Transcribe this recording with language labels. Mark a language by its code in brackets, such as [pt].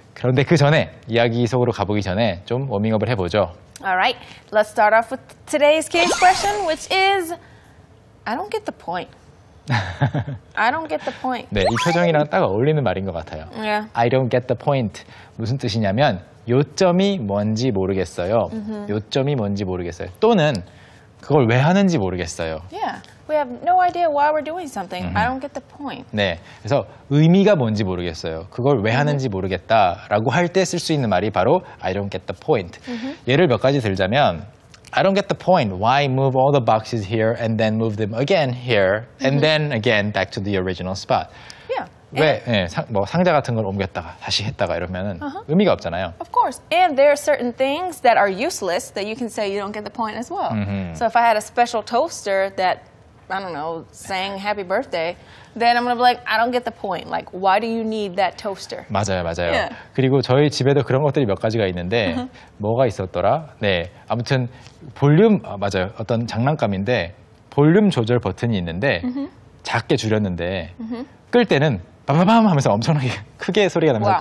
[ko] 그런데 그 전에 이야기 속으로 가보기 전에 좀 워밍업을 해보죠. [en] All right, let's start off with today's key expression, which is I don't get the point. I don't get the point. [ko] 네, 이 표정이랑 딱 어울리는 말인 것 같아요. [en] Yeah. I don't get the point. [ko] 무슨 뜻이냐면 요점이 뭔지 모르겠어요. Mm-hmm. 요점이 뭔지 모르겠어요. 또는 그걸 왜 하는지 모르겠어요. [en] Yeah, we have no idea why we're doing something. Mm-hmm. I don't get the point. [ko] 네, 그래서 의미가 뭔지 모르겠어요. 그걸 왜 하는지 모르겠다라고 할 때 쓸 수 있는 말이 바로 [en] I don't get the point. [ko] Mm-hmm. 예를 몇 가지 들자면 [en] I don't get the point. Why move all the boxes here and then move them again here and mm-hmm. then again back to the original spot? Yeah. [ko] 왜 예, 상, 뭐 상자 같은 걸 옮겼다가 다시 했다가 이러면은 uh-huh. 의미가 없잖아요. [en] Of course. And there are certain things that are useless that you can say you don't get the point as well. Mm-hmm. So if I had a special toaster that, I don't know, sang happy birthday, then I'm going to be like, I don't get the point. Like, why do you need that toaster? [ko] 맞아요, 맞아요. [en] Yeah. [ko] 그리고 저희 집에도 그런 것들이 몇 가지가 있는데 uh-huh. 뭐가 있었더라? 네, 아무튼 볼륨, 아, 맞아요. 어떤 장난감인데 볼륨 조절 버튼이 있는데 uh-huh. 작게 줄였는데 uh-huh. 끌 때는 빠바밤 하면서 엄청나게 크게 소리가 나면서 [en] wow.